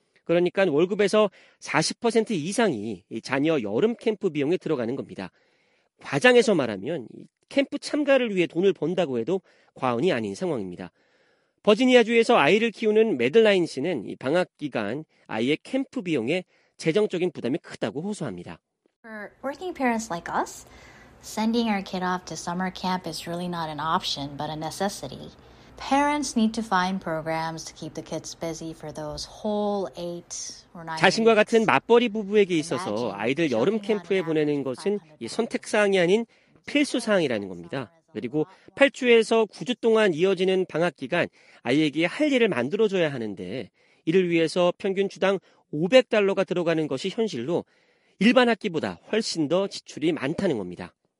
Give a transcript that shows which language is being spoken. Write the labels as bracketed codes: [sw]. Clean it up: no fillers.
[ko] 그러니까 월급에서 40% 이상이 자녀 여름 캠프 비용에 들어가는 겁니다. 과장해서 말하면 캠프 참가를 위해 돈을 번다고 해도 과언이 아닌 상황입니다. 버지니아주에서 아이를 키우는 매들라인 씨는 방학 기간 아이의 캠프 비용에 재정적인 부담이 크다고 호소합니다. [en] For working parents like us, sending our kid off to summer camp is really not an option, but a necessity. Parents need to find programs to keep the kids busy for those whole 8 or 9 [ko] 자신과 같은 맞벌이 부부에게 있어서 아이들 여름 캠프에 보내는 것은 이 선택 사항이 아닌 필수 사항이라는 겁니다. 그리고 8주에서 9주 동안 이어지는 방학 기간 아이에게 할 일을 만들어 줘야 하는데 이를 위해서 평균 주당 $500가 들어가는 것이 현실로 일반 학기보다 훨씬 더 지출이 많다는 겁니다.